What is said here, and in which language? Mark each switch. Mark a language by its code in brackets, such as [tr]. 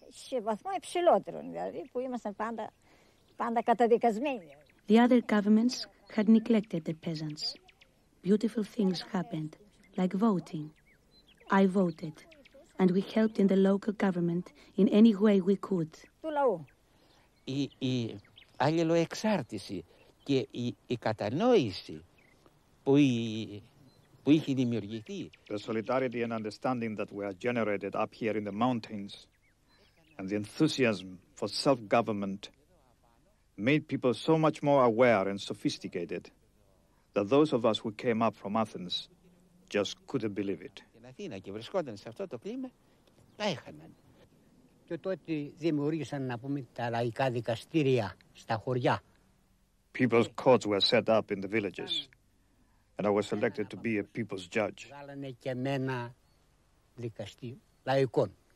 [en] The other governments had neglected the peasants. Beautiful things happened, like voting. I voted, and we helped in the local government in any way we could. [el] Η αλληλοεξάρτηση και η κατανόηση που είχε δημιουργηθεί. [en] The solidarity and understanding that were generated up here in the mountains and the enthusiasm for self-government made people so much more aware and sophisticated that those of us who came up from Athens just couldn't believe it. In Athena, [el] και βρισκόταν σε αυτό το κλίμα, τα έχαναν. Και τότε δημιουργήσαν, να πούμε, τα λαϊκά δικαστήρια στα χωριά. [en] People's courts were set up in the villages, and I was selected to be a people's judge. [el] Βάλανε και εμένα δικαστή λαϊκών.